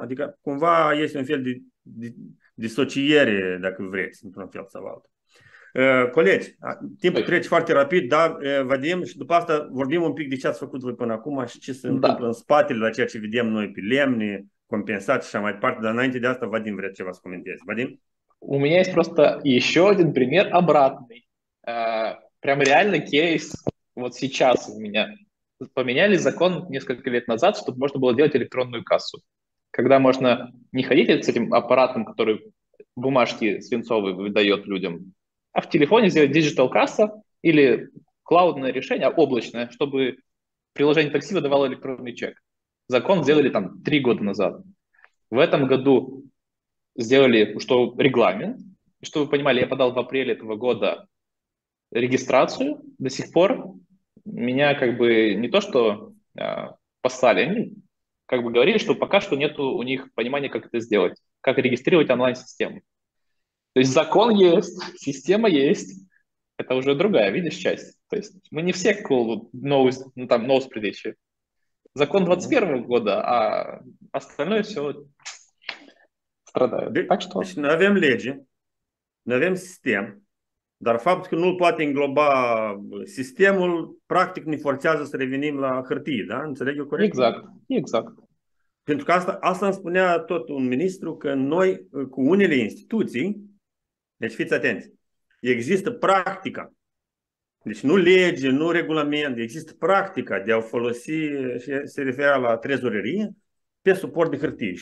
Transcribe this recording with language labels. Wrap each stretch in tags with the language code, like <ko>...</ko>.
<ro>Adică cumva este un fel de disociere, dacă vreți, într-un fel sau altul. Colegi, timpul trece foarte rapid, dar vedem și după asta vorbim un pic de ce ați făcut voi până acum și ce se întâmplă în spatele la ceea ce vedem noi pe lemne, compensați și așa mai departe. Dar înainte de asta, Vadim, vrea ceva să comentezi. Vadim?</ro> <ru>У меня есть просто еще один пример обратный. Прям реально кейс. Вот сейчас у меня поменяли закон несколько лет назад, чтобы можно было делать электронную кассу. Когда можно не ходить с этим аппаратом, который бумажки свинцовые выдает людям, а в телефоне сделать digital касса или клаудное решение, облачное, чтобы приложение такси выдавало электронный чек. Закон сделали там 3 года назад. В этом году сделали, что регламент, и, чтобы вы понимали, я подал в апреле этого года регистрацию, до сих пор меня как бы не то что послали, они как бы говорили, что пока что нету у них понимания, как это сделать, как регистрировать онлайн-систему. То есть закон есть, система есть, это уже другая, видишь, часть. То есть мы не все cool, новость предыдущие. Закон 21-го года, а остальное все... Страдают. Так что?</ru> <ro>Deci, noi avem lege, noi avem sistem, dar faptul că nu-l poate îngloba sistemul, practic ne forțează să revenim la hârtie, da? Înțeleg eu corect? Exact. Pentru că asta îmi spunea tot un ministru, că noi cu unele instituții, deci fiți atenți, există practica, deci nu lege, nu regulament, există practica de a folosi, și se referă la trezorerie, pe suport de hârtie.</ro>